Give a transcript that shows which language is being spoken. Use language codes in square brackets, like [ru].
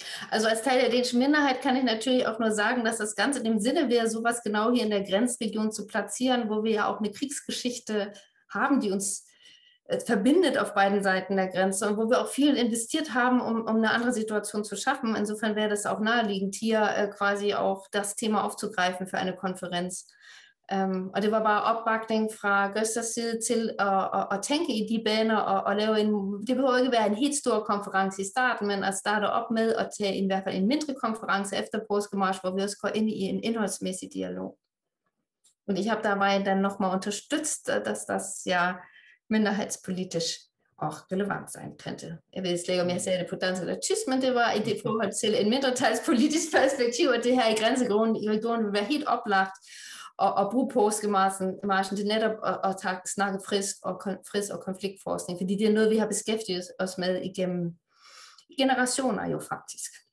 [de] Also als Teil der dänischen Minderheit kann ich natürlich auch nur sagen, dass das Ganze in dem Sinne wäre, sowas genau hier in der Grenzregion zu platzieren, wo wir ja auch eine Kriegsgeschichte haben, die uns verbindet auf beiden Seiten der Grenze und wo wir auch viel investiert haben, um eine andere Situation zu schaffen. Insofern wäre das auch naheliegend, hier quasi auch das Thema aufzugreifen für eine Konferenz. [da] Det var bare opbakning fra Gøsters side til at tænke i de baner og lave en, det behøver ikke være en helt stor konference i starten, men at starte op med at tage i hvert fald en mindre konference efter påskemarsch, hvor vi også går ind i en indholdsmæssig dialog. [de] Und ich habe dabei dann nochmal unterstützt, dass das ja minderheitspolitisch auch relevant sein könnte. [da] Jeg vil slet ikke, om jeg sagde det på dansk eller tysk, men det var i det forhold til en mindretalspolitisk perspektiv, at det her i grænsegrunden i regionen vil være helt oplagt. Og bruge påskemarschen til netop at snakke fris og konfliktforskning, fordi det er noget, vi har beskæftiget os med igennem generationer jo faktisk.